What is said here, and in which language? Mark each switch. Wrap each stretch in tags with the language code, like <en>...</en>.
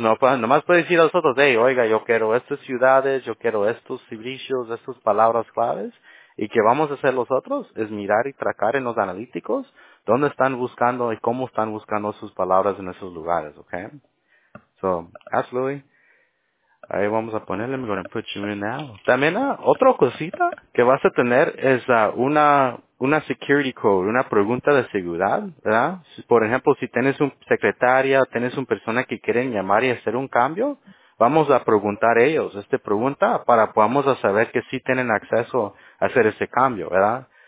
<es>No, nomás puede decir a nosotros, hey, oiga, yo quiero estas ciudades, yo quiero estos servicios, estas palabras claves. Y que vamos a hacer nosotros es mirar y tracar en los analíticos dónde están buscando y cómo están buscando sus palabras en esos lugares, ¿ok?</es> <en>So, absolutely.</en> <es>Ahí vamos a ponerle,</es> <en>I'm going to put you in now.</en> <es>También, otra cosita que vas a tener es una security code, una pregunta de seguridad, ¿verdad? Por ejemplo, si tienes un secretaria, tienes una persona que quieren llamar y hacer un cambio, vamos a preguntar a ellos esta pregunta para podamos saber que sí tienen acceso a hacer ese cambio, ¿verdad?</es>